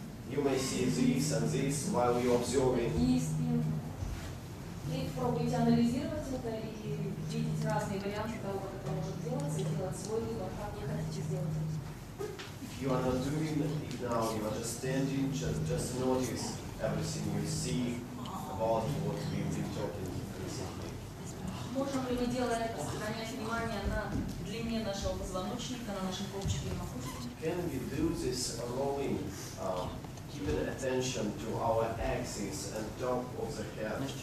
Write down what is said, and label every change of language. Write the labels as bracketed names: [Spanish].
[English] You may see this and this while you're observing. [Russian] И пробуйте анализировать это и видеть разные варианты того, как это может делаться, и делать свой выбор, как не хотите сделать это. [English] If you are not doing it now, you are just standing, just notice everything you see about what we've been talking recently. [Russian] Можем ли мы делать это, сохранять внимание на длине нашего позвоночника, на наших копчиках и макушке? [English] Can we do this rolling, keeping attention to our axis and top of the head?